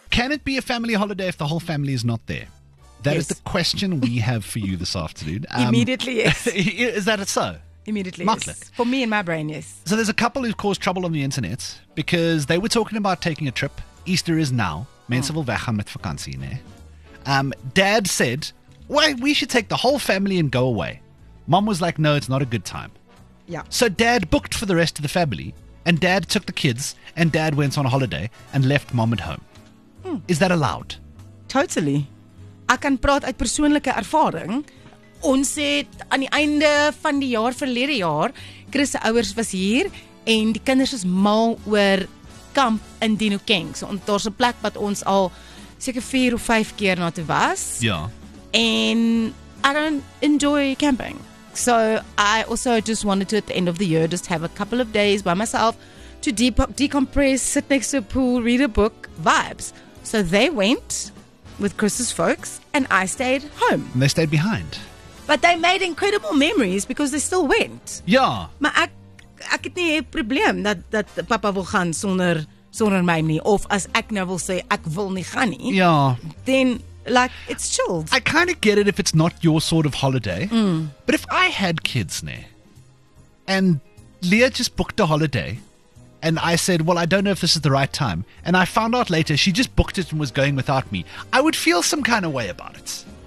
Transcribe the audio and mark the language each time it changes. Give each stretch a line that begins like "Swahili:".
English: Can it be a family holiday if the whole family is not there? That is the question we have for you this afternoon. Immediately, yes. Is that so? Immediately, yes. For me, in my brain, yes. So there's a couple who've caused trouble on the internet because they were talking about taking a trip. Easter is now.
Afrikaans: Mensen wil weg gaan met vakantie, né?
English: Dad said, "Why, we should take the whole family and go away." Mom was like, "No, it's not a good time." Yeah. So dad booked for the rest of the family, and dad took the kids, and dad went on a holiday and left mom at home. Hmm. Is that allowed? Totally.
Afrikaans: Ek kan praat uit persoonlike ervaring. Ons het aan die einde van die jaar verlede jaar, Chris se ouers was hier en die kinders was mal oor kamp in Dino Keng. So daar's 'n plek wat ons al seker 4 of 5 keer na toe was. Ja. En
English: I don't enjoy camping. So I also just wanted to at the end of the year just have a couple of days by myself to decompress, sit next to a pool, read a book, vibes. So they went with Chris's folks and I stayed home. And they stayed behind. But they made incredible memories because they still went.
Afrikaans: Ja. Maar ek het nie 'n probleem dat papa wil gaan sonder my nie. Of as ek nou wil sê ek wil nie gaan nie. Ja.
English: Then like it's chilled. I kind of get it if it's not your sort of holiday. Mm. But if I had kids nie and Leah just booked a holiday and I said, well, I don't know if this is the right time. And I found out later she just booked it and was going without me. I would feel some kind of way about it.